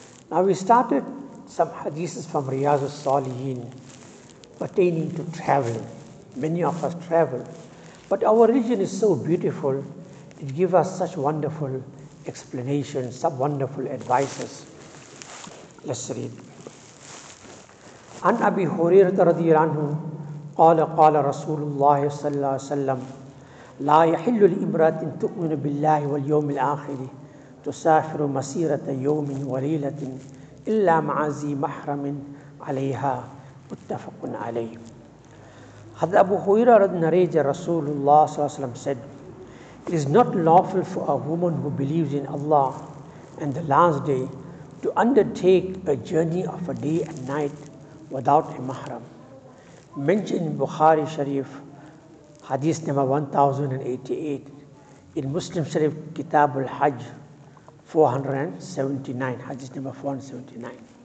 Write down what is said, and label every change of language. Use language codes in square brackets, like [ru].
[en] Now we started some hadiths from Riyaz al-Salihin pertaining to traveling. Many of us travel. But our religion is so beautiful, it gives us such wonderful explanations, some wonderful advices. Let's read. [ar] عن أبي هريرة رضي الله عنه قال قال رسول الله صلى الله عليه وسلم لا يحل لامرأة تؤمن بالله واليوم الآخر تسافر مسيرة يوم وليلة إلا مع ذي محرم عليها متفق عليه. هذا أبو هريرة رضي الله عنه رسول الله صلى الله عليه وسلم [en] said it is not lawful for a woman who believes in Allah and the last day to undertake a journey of a day and night without a mahram. Mentioned in Bukhari Sharif, Hadith number 1088. In Muslim Sharif, Kitab al-Hajj, 479, Hadith number 479.